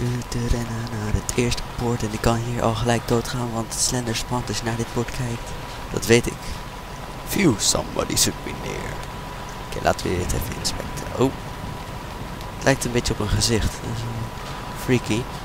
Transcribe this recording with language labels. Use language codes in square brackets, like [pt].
[nl] Te rennen naar het eerste poort en ik kan hier al gelijk doodgaan, want Slender spant als je naar dit poort kijkt. Dat weet ik. [en] Phew, somebody should be near. [nl] Oké, laten we dit even inspecten. Oh. Het lijkt een beetje op een gezicht. Freaky.